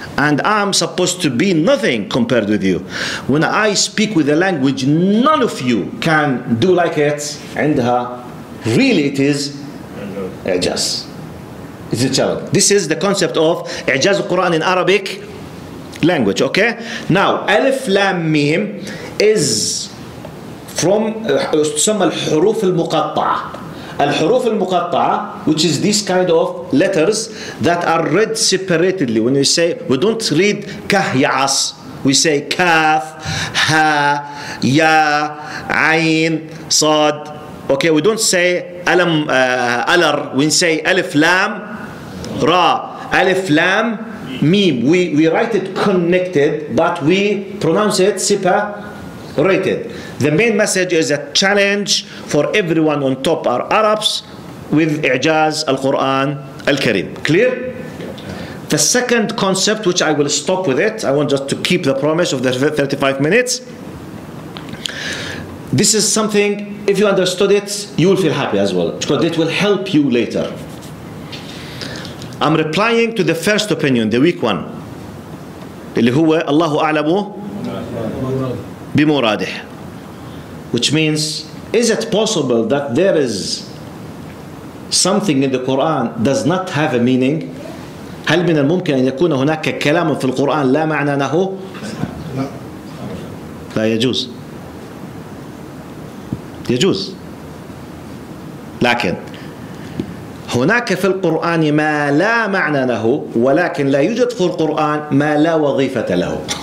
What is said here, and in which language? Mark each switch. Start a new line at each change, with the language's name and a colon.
English: And I'm supposed to be nothing compared with you. When I speak with a language, none of you can do like it.
Arabic: عندها.
English: Really, it is. إعجاز. It's a challenge. This is the concept of إعجاز القرآن in Arabic language. Okay? Now,
Arabic: ألف لام ميم
English: is from
Arabic: تسمى الحروف المقطعة.
English: الحروف المقطعة, which is this kind of letters that are read separately. When we say, we don't read كه يعص. We say
Arabic: كاف, ها, يا, عين, صاد.
English: Okay, we don't say ألم ألر. We say
Arabic: ألف لام را. ألف لام ميم.
English: We write it connected, but we pronounce it separated. The main message is a challenge for everyone on top are Arabs with إعجاز القرآن الكريم. Clear? The second concept, which I will stop with it, I want just to keep the promise of the 35 minutes. This is something, if you understood it, you will feel happy as well, because it will help you later. I'm replying to the first opinion, the weak one.
Arabic: اللي هو الله أعلم بمراده.
English: Which means, is it possible that there is something in the Quran does not have a meaning?
Arabic: هل من الممكن أن يكون هناك كلام في القرآن لا معنى له؟ لا يجوز. يجوز. لكن هناك في القرآن ما لا معنى له, ولكن لا يوجد في القرآن ما لا وظيفة له.